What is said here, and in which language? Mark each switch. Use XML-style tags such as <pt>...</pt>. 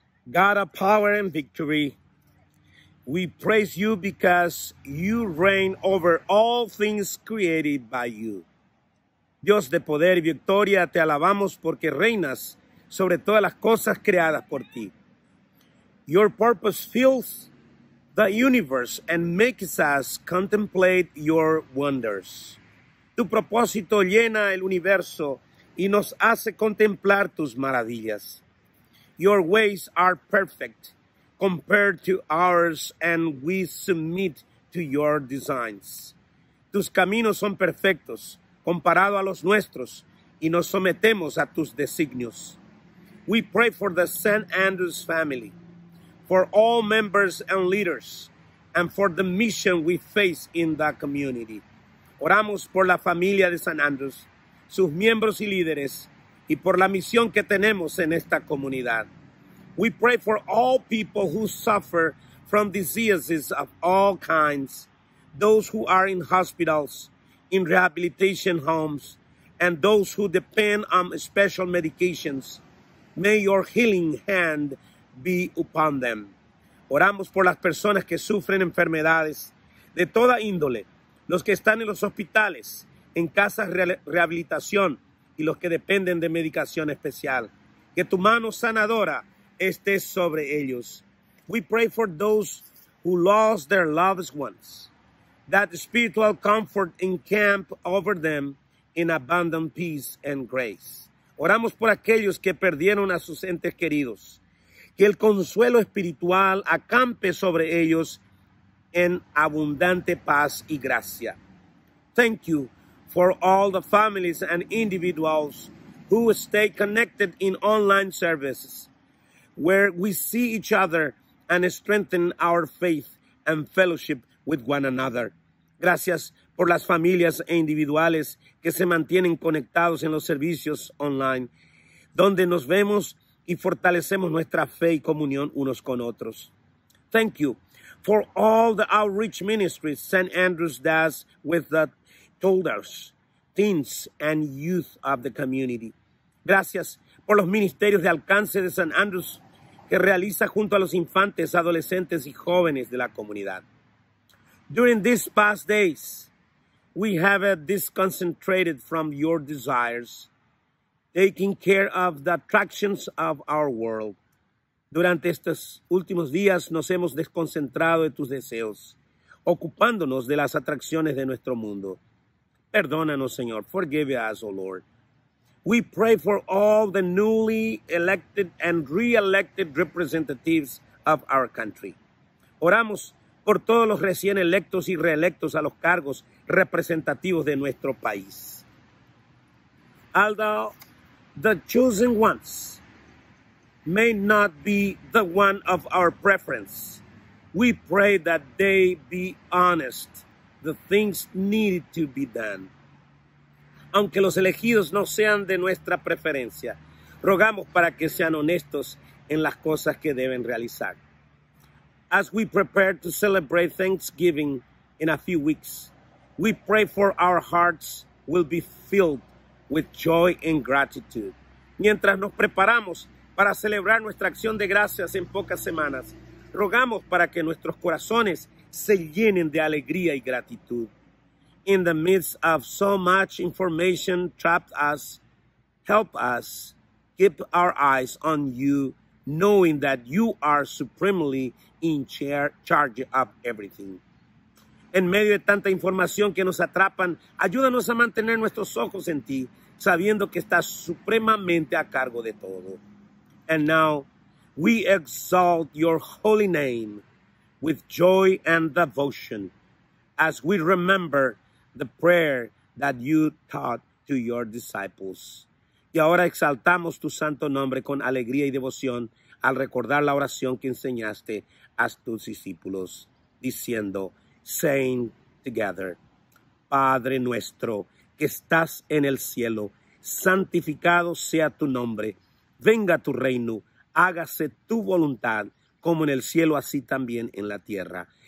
<en>God of power and victory, we praise you because you reign over all things created by you.</en> <es>Dios de poder y victoria, te alabamos porque reinas sobre todas las cosas creadas por ti.</es> <en>Your purpose fills the universe and makes us contemplate your wonders.</en> <es>Tu propósito llena el universo y nos hace contemplar tus maravillas.</es> <en>Your ways are perfect compared to ours and we submit to your designs.</en> <es>Tus caminos son perfectos comparado a los nuestros y nos sometemos a tus designios.</es> <en>We pray for the St. Andrews family, for all members and leaders, and for the mission we face in the community.</en> <es>Oramos por la familia de St. Andrews, sus miembros y líderes, y por la misión que tenemos en esta comunidad.</es> <en>We pray for all people who suffer from diseases of all kinds, those who are in hospitals, in rehabilitation homes, and those who depend on special medications. May your healing hand be upon them.</en> <es>Oramos por las personas que sufren enfermedades de toda índole, los que están en los hospitales, en casas de rehabilitación y los que dependen de medicación especial. Que tu mano sanadora esté sobre ellos.</es> <en>We pray for those who lost their loved ones, that spiritual comfort encamp over them in abundant peace and grace.</en> <es>Oramos por aquellos que perdieron a sus entes queridos. Que el consuelo espiritual acampe sobre ellos en abundante paz y gracia.</es> <en>Thank you for all the families and individuals who stay connected in online services, where we see each other and strengthen our faith and fellowship with one another.</en> <es>Gracias por las familias e individuales que se mantienen conectados en los servicios online, donde nos vemos y fortalecemos nuestra fe y comunión unos con otros.</es> <en>Thank you for all the outreach ministries St. Andrews does with the toddlers, teens, and youth of the community.</en> <es>Gracias por los ministerios de alcance de St. Andrews que realiza junto a los infantes, adolescentes, y jóvenes de la comunidad.</es> <en>During these past days, we have disconcentrated from your desires, taking care of the attractions of our world.</en> <es>Durante estos últimos días, nos hemos desconcentrado de tus deseos, ocupándonos de las atracciones de nuestro mundo. Perdónanos, Señor.</es> <en>Forgive us, O Lord. We pray for all the newly elected and re-elected representatives of our country.</en> <es>Oramos por todos los recién electos y reelectos a los cargos representativos de nuestro país.</es> <en>Although the chosen ones may not be the one of our preference, we pray that they be honest, the things needed to be done.</en> <es>Aunque los elegidos no sean de nuestra preferencia, rogamos para que sean honestos en las cosas que deben realizar.</es> <en>As we prepare to celebrate Thanksgiving in a few weeks, we pray for our hearts will be filled with joy and gratitude.</en> <es>Mientras nos preparamos para celebrar nuestra acción de gracias en pocas semanas, rogamos para que nuestros corazones se llenen de alegría y gratitud.</es> <en>In the midst of so much information trapped us, help us keep our eyes on you, knowing that you are supremely in charge of everything.</en> <es>En medio de tanta información que nos atrapan, ayúdanos a mantener nuestros ojos en ti, sabiendo que estás supremamente a cargo de todo.</es> <en>And now, we exalt your holy name with joy and devotion as we remember the prayer that you taught to your disciples.</en> <es>Y ahora exaltamos tu santo nombre con alegría y devoción al recordar la oración que enseñaste a tus discípulos, diciendo,</es> <en>saying together,</en> <es>Padre nuestro que estás en el cielo, santificado sea tu nombre, venga tu reino, hágase tu voluntad como en el cielo así también en la tierra.</es>